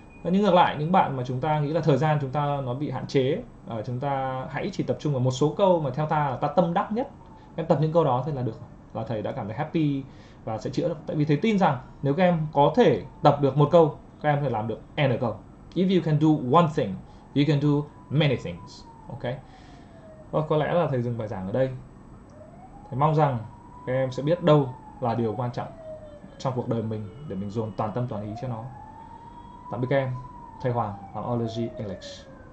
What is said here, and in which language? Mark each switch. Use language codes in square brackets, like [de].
[vi] Nhưng ngược lại những bạn mà chúng ta nghĩ là thời gian chúng ta nó bị hạn chế, chúng ta hãy chỉ tập trung vào một số câu mà theo ta là ta tâm đắc nhất, em tập những câu đó thì là được, là thầy đã cảm thấy happy và sẽ chữa được. Tại vì thầy tin rằng nếu các em có thể tập được một câu, các em có thể làm được n câu. [en] If you can do one thing, you can do many things. Ok. [vi] Và có lẽ là thầy dừng bài giảng ở đây. Thầy mong rằng các em sẽ biết đâu là điều quan trọng trong cuộc đời mình để mình dồn toàn tâm toàn ý cho nó. Tạm biệt các em. Thầy Hoàng, Biology English.